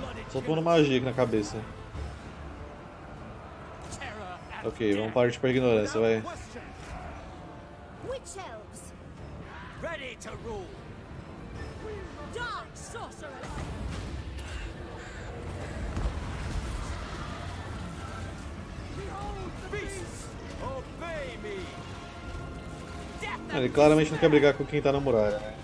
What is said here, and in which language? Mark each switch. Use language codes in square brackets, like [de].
[pt] Só tomando magia aqui na cabeça. Ok, vamos partir para ignorância, vai. [en] Witch elves ready to rule. Dark sorcerer. Behold the beasts, obey me. [pt] Ele claramente não quer brigar com quem tá na muralha.